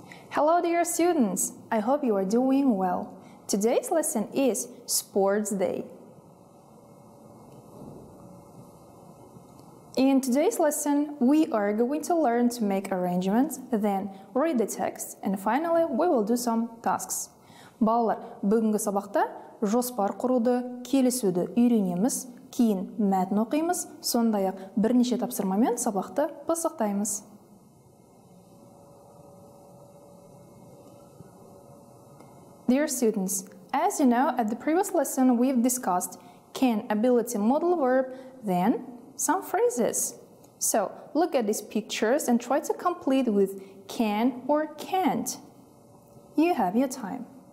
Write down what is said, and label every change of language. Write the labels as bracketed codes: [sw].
[en] Hello dear students, I hope you are doing well. Today's lesson is Sports Day. In today's lesson, we are going to learn to make arrangements, then read the text, and finally we will do some tasks. [kk] Балалар, бүгінгі сабақта жоспар құруды, келісуді үйренеміз, кейін мәтін оқимыз, сондай-ақ бірнеше тапсырмамен сабақты пысықтаймыз. [en] Dear students, as you know, at the previous lesson we've discussed can ability modal verb, then some phrases. So look at these pictures and try to complete with can or can't. You have your time.